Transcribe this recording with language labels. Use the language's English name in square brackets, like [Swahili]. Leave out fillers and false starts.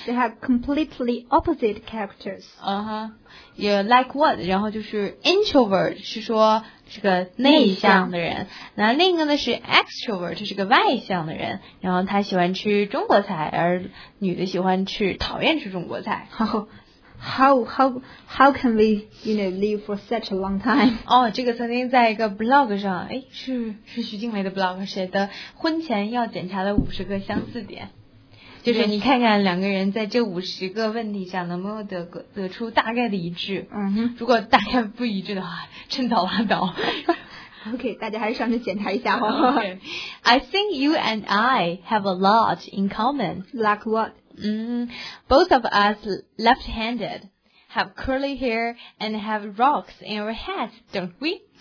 [English] They have completely opposite characters. Yeah, like what? [Chinese] 然后就是 introvert 是说是个内向的人。那另一个呢是 extrovert 是个外向的人。然后他喜欢吃中国菜，而女的喜欢吃讨厌吃中国菜。 [English] How can we, you know, live for such a long time? [Chinese] 哦、oh, ，这个曾经在一个 blog 上，哎，是徐静蕾的 blog 写的，婚前要检查的50个相似点，就是你看看两个人在这50个问题上能不能得出大概的一致。嗯哼，如果大概不一致的话，趁早拉倒。 OK， 大家还是上去检查一下哦。 [English] Okay. I think you and I have a lot in common. Like what? Both of us left-handed, have curly hair, and have rocks in our heads, don't we?